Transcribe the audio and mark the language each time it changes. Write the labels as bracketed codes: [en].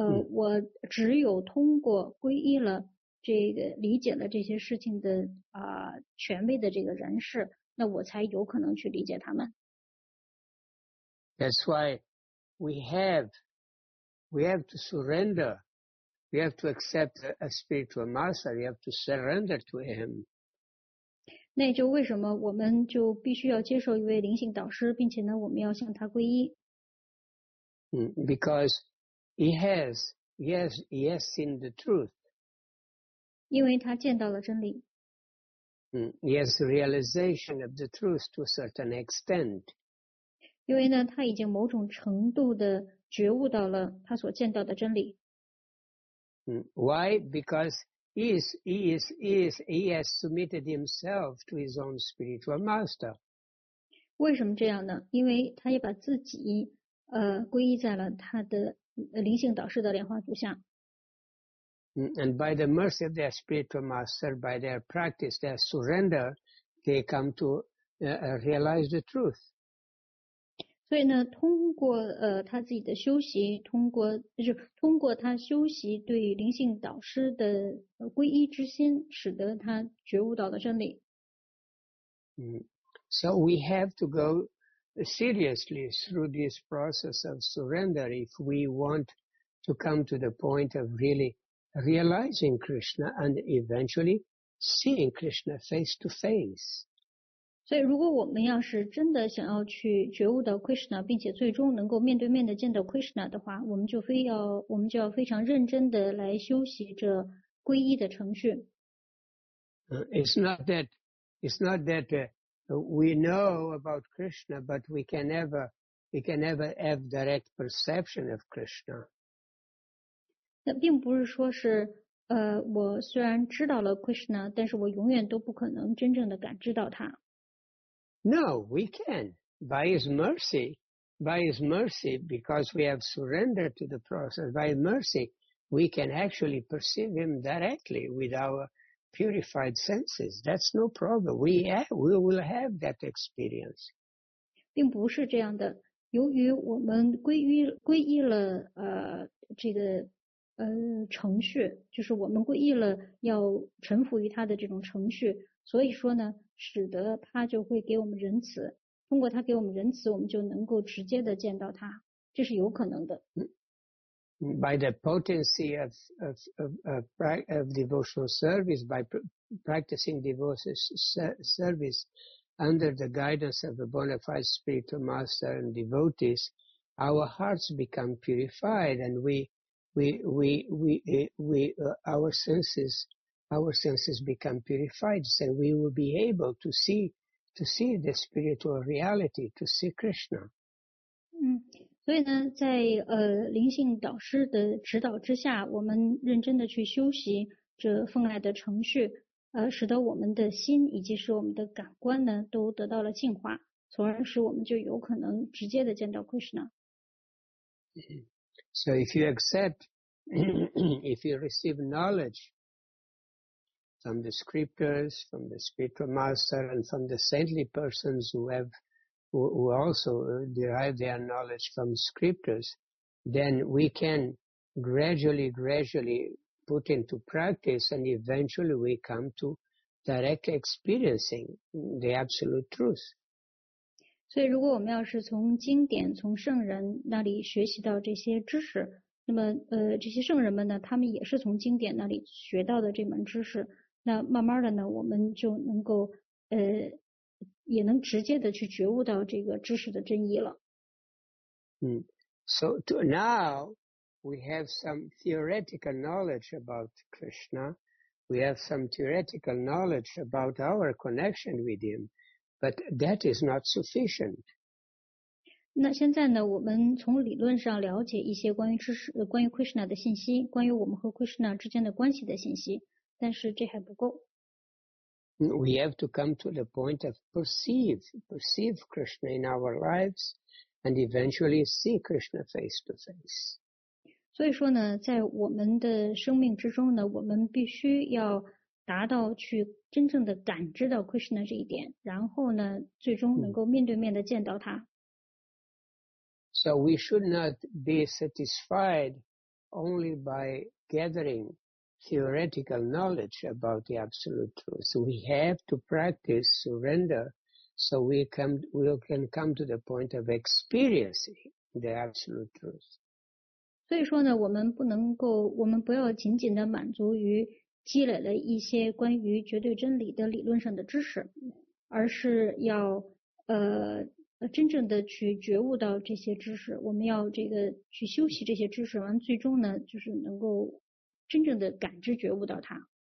[zh] 我只有通过皈依了这个理解了这些事情的权威的这个人士，那我才有可能去理解他们。 [en] That's why we have to surrender. We have to accept a spiritual master. We have to surrender to him. [zh] 那就为什么我们就必须要接受一位灵性导师，并且呢，我们要向他皈依。 [en] Because he has seen the truth. [zh] 因为他见到了真理。 [en] He has realization of the truth to a certain extent. [zh] 因为呢，他已经某种程度的觉悟到了他所见到的真理。 [en] Why? Because he has submitted himself to his own spiritual master. [zh] 为什么这样呢？因为他也把自己皈依在了他的灵性导师的莲花足下。 [en] And by the mercy of their spiritual master, by their practice, their surrender, they come to realize the truth. [zh] 所以呢，通过他自己的修习，通过他修习对灵性导师的皈依之心，使得他觉悟到了真理。 [en] So we have to go seriously through this process of surrender if we want to come to the point of really realizing Krishna and eventually seeing Krishna face to face. [zh] 所以如果我们要是真的想要去觉悟到 Krishna, 并且最终能够面对面的见到 Krishna 的话，我们就要非常认真的来修习这皈依的程序。 [en] It's not that we know about Krishna, but we can never have direct perception of Krishna. [zh] 那并不是说是我虽然知道了 Krishna, 但是我永远都不可能真正的感知到他。 [en] No, we can, by his mercy, because we have surrendered to the process, by mercy, we can actually perceive him directly with our purified senses. That's no problem. We will have that experience. [zh] 并不是这样的。由于我们皈依了这个程序，就是我们皈依了要臣服于他的这种程序，所以说呢，使得他就会给我们仁慈，通过他给我们仁慈，我们就能够直接的见到他，这是有可能的。 [en] By the potency of devotional service, by practicing devotional service under the guidance of a bona fide spiritual master and devotees, our hearts become purified and our senses become purified, so we will be able to see the spiritual reality, to see Krishna. [zh] 所以呢，在灵性导师的指导之下，我们认真的去修习这奉爱的程序，使得我们的心以及使我们的感官呢，都得到了净化，从而使我们就有可能直接的见到 Krishna。 [en] So if you accept, if you receive knowledge from the scriptures, from the spiritual master, and from the saintly persons who also derive their knowledge from scriptures, then we can gradually put into practice and eventually we come to directly experiencing the absolute truth. [zh] 所以如果我们要是从经典从圣人那里学习到这些知识，那么这些圣人们呢，他们也是从经典那里学到的这门知识，那慢慢的呢，我们就能够也能直接的去觉悟到这个知识的真意了。 [en] So to now we have some theoretical knowledge about Krishna. We have some theoretical knowledge about our connection with him, but that is not sufficient. [zh] 那现在呢，我们从理论上了解一些关于知识，关于 Krishna 的信息，关于我们和 Krishna 之间的关系的信息，但是这还不够。 [en] We have to come to the point of perceive Krishna in our lives and eventually see Krishna face to face. [zh] 所以说呢，在我们的生命之中呢，我们必须要达到去真正的感知到 Krishna 这一点，然后呢，最终能够面对面的见到他。 [en] So we should not be satisfied only by gathering theoretical knowledge about the absolute truth. So we have to practice surrender so we can come to the point of experiencing the absolute truth. [zh] 所以说呢，我们不要仅仅的满足于积累了一些关于绝对真理的理论上的知识，而是要真正的去觉悟到这些知识，我们要这个去修习这些知识，完最终呢就是能够真正的感知觉悟到它。